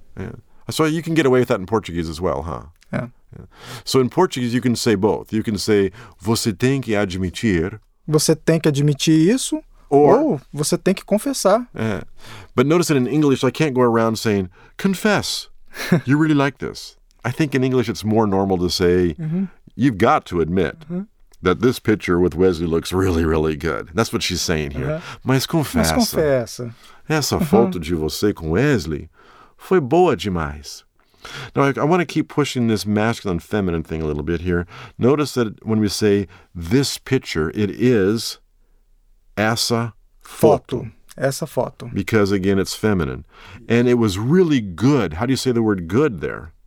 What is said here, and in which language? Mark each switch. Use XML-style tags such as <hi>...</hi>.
<en>Yeah. So you can get away with that in Portuguese as well, huh? Yeah. So in Portuguese, you can say both. You can say,</en> <pt>você tem que admitir. Você tem que admitir isso.</pt> <en>Or</en> <pt>você tem que confessar.</pt> <en>Yeah. But notice that in English, I can't go around saying, confess, you really like this. I think in English, it's more normal to say, you've got to admit. That this picture with Wesley looks really, really good. That's what she's saying here.</en> <pt>Mas confessa. Mas confessa. Essa foto de você com Wesley foi boa demais.</pt> <en>Now, I want to keep pushing this masculine-feminine thing a little bit here. Notice that when we say this picture, it is</en> <pt>essa foto. Essa foto.</pt> <en>Because, again, it's feminine. And it was really good. How do you say the word good there?</en>